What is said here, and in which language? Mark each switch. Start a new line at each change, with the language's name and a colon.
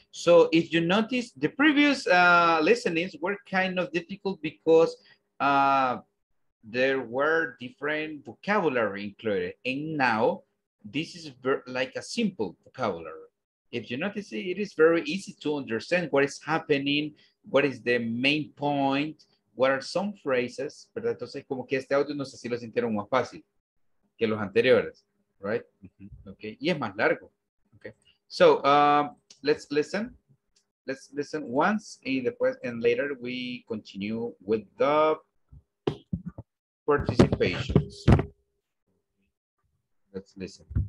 English: So if you notice, the previous listenings were kind of difficult because there were different vocabulary included. And now this is like a simple vocabulary. If you notice, it is very easy to understand what is happening, what is the main point, what are some phrases, ¿verdad?
Spanish: Entonces, como que este audio, no sé si lo sintieron más fácil que los anteriores, right? Mm-hmm. Okay, y es más largo, okay?
English: So, let's listen once, and later we continue with the participations. Let's listen.